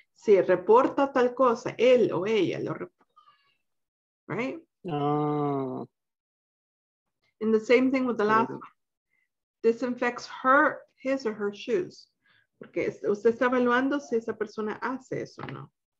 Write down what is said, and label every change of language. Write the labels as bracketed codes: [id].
[es] Si reporta tal cosa, él o ella lo reporta, right? [en] And the same thing with the last one. Disinfects his or her shoes. [es] Porque usted está evaluando si esa persona hace eso o no.